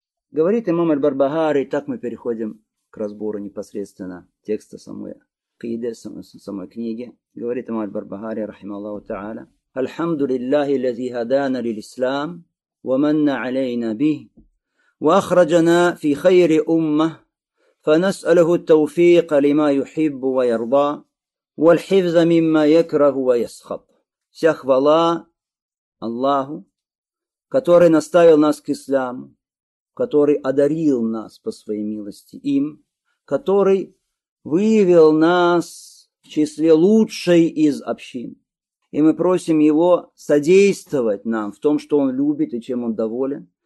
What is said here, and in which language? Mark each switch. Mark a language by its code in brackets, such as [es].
[ru] Говорит имам Аль-Барбахари, и так мы переходим к разбору непосредственно текста самой акиды, самой книги. Говорит имам Аль-Барбахари, [ar] рахималлаху та'аля, «Альхамду лиллахи лази хадана лил-ислам, ва манна алейна бих, ва ахраджана фи хайри умма». فنسأله التوفيق لما يحب ويرضى والحفظ مما يكره ويسخط. [ru] Вся хвала Аллаху, который наставил нас к исламу, который одарил нас по своей милости им, который вывел нас в числе лучшей из общин. И мы просим его содействовать нам в том, что он любит и чем он доволен.